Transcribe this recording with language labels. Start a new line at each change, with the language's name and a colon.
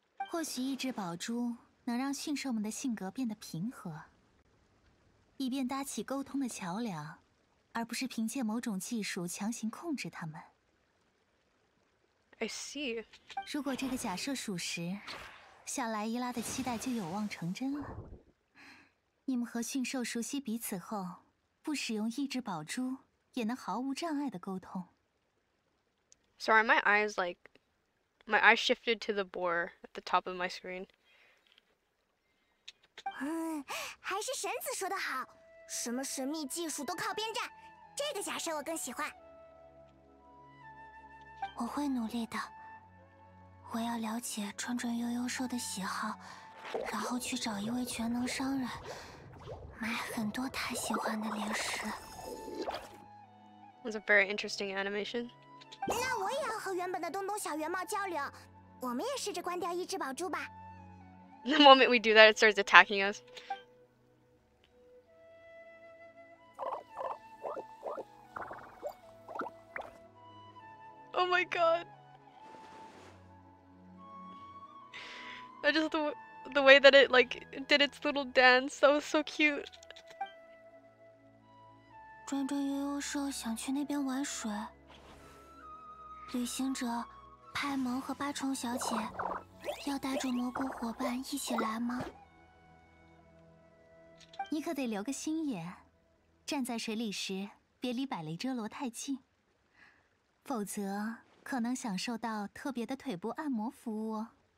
Chinese: 或许一只宝珠能让驯兽们的性格变得平和，以便搭起沟通的桥梁，而不是凭借某种技术强行控制它们。
English: I see.
Chinese: 如果这个假设属实，小莱伊拉的期待就有望成真了。你们和驯兽熟悉彼此后，不使用意志宝珠也能毫无障碍的沟通。
English: Sorry, my eyes like my eyes shifted to the boar at the top of my screen.
Chinese: 还是神子说的好，什么神秘技术都靠边站，这个假设我更喜欢。我会努力的。我要了解转转悠悠兽的喜好，然后去找一位全能商人。买很多他喜欢的零食。
English: It's a very interesting animation.
Chinese: 那我也要和原本的东东小圆猫交流，我们也试着关掉一只宝珠吧。
English: The moment we do that, it starts attacking us.
Chinese: 就是
English: the way that it like did its little dance, that was so cute.
Chinese: 转转悠悠兽想去那边玩水。旅行者派蒙和八重小姐要带着蘑菇伙伴一起来吗？你可得留个心眼，站在水里时别离百里遮罗太近，否则可能享受到特别的腿部按摩服务哦。